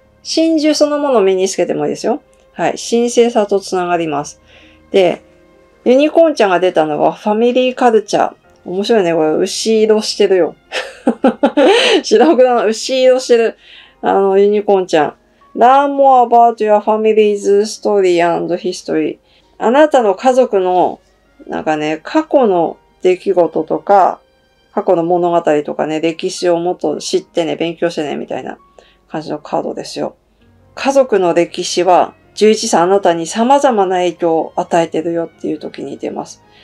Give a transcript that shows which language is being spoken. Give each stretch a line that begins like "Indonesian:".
Japanese: 真珠そのものを身につけてもいいですよ。はい。神聖さとつながります。で、ユニコーンちゃんが出たのは、ファミリーカルチャー。面白いね、これ。牛色してるよ。白黒の牛色してる、ユニコーンちゃん。
English: Learn more about your family's story and history.
Japanese: あなたの家族の、なんかね、過去の出来事とか、過去の物語とかね、歴史をもっと知ってね、勉強してね、みたいな感じのカードですよ。家族の歴史は、11歳あなたに様々な影響を与えてるよっていう時に出ます。